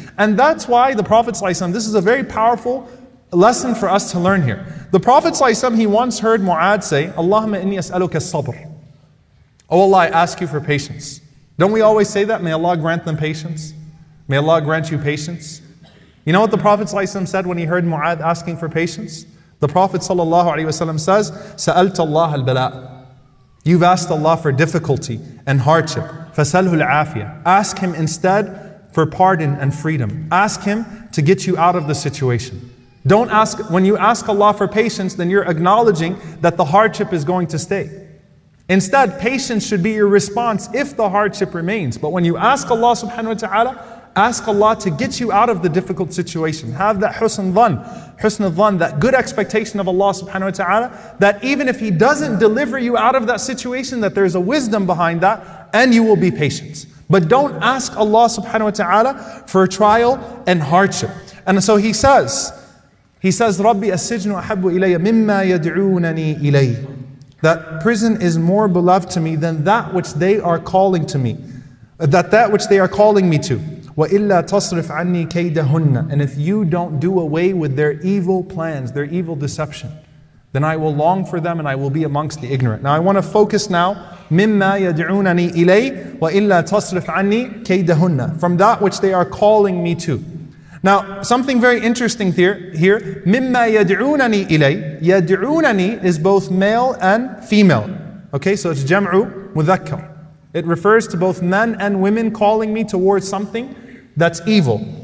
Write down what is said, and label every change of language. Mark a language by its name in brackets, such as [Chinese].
[English] And that's why the Prophet ﷺ, this is a very powerful lesson for us to learn here. The Prophet ﷺ, he once heard Mu'adh say, [Arabic] Allahumma inni as'aluka sabr. [English] Oh Allah, I ask you for patience. Don't we always say that? May Allah grant them patience. May Allah grant you patience. You know what the Prophet ﷺ said when he heard Mu'adh asking for patience? The Prophet ﷺ says, [Arabic] سَأَلْتَ اللَّهَ الْبَلَاءَ. [English] You've asked Allah for difficulty and hardship. [Arabic] فَسَلْهُ الْعَافِيَةَ. [English] Ask Him instead for pardon and freedom. Ask Him to get you out of the situation. Don't ask, when you ask Allah for patience, then you're acknowledging that the hardship is going to stay. Instead, patience should be your response if the hardship remains. But when you ask Allah subhanahu wa ta'ala, ask Allah to get you out of the difficult situation. Have that husn dhan, that good expectation of Allah subhanahu wa ta'ala, that even if He doesn't deliver you out of that situation, that there's a wisdom behind that, and you will be patient. But don't ask Allah subhanahu wa ta'ala for a trial and hardship. And so he says, [Arabic] رَبِّ أَسْجْنُ أَحَبُّ إِلَيَّ مِمَّا يَدْعُونَنِي إِلَيْهِ. [English] That prison is more beloved to me than that which they are calling to me, that which they are calling me to. [Arabic] وَإِلَّا تَصْرِفْ عَنِّي كَيْدَهُنَّ. [English] And if you don't do away with their evil plans, their evil deception, then I will long for them and I will be amongst the ignorant. Now I want to focus now, [Arabic] مِمَّا يَدْعُونَنِي إِلَيْهِ وَإِلَّا تَصْرِفْ عَنِّي كَيْدَهُنَّ. [English] From that which they are calling me to. Now something very interesting here, [Arabic] مِمَّا يَدْعُونَنِي إِلَيْهِ. [English] يَدْعُونَنِي is both male and female. Okay, so it's جَمْعُ مُذَكَّرُ. It refers to both men and women calling me towards something that's evil.